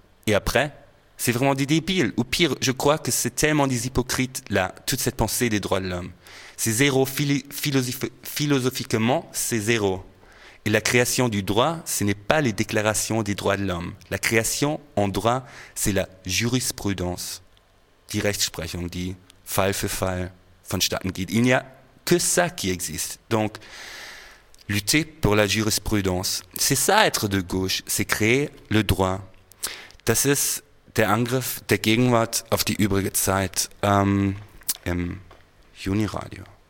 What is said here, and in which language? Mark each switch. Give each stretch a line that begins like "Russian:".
French: Et après, c'est vraiment des débiles. Ou pire, je crois que c'est tellement des hypocrites, là, toute cette pensée des droits de l'homme. C'est zéro, philosophiquement, c'est zéro. Et la création du droit, ce n'est pas les déclarations des droits de l'homme. La création en droit, c'est la jurisprudence.
German: Die Rechtsprechung, die Fall für Fall vonstatten geht.
French: Il n'y a que ça qui existe. Donc, lutter pour la jurisprudence, c'est ça être de gauche, c'est créer le droit.
German: Das ist der Angriff der Gegenwart auf die übrige Zeit im Juni-Radio.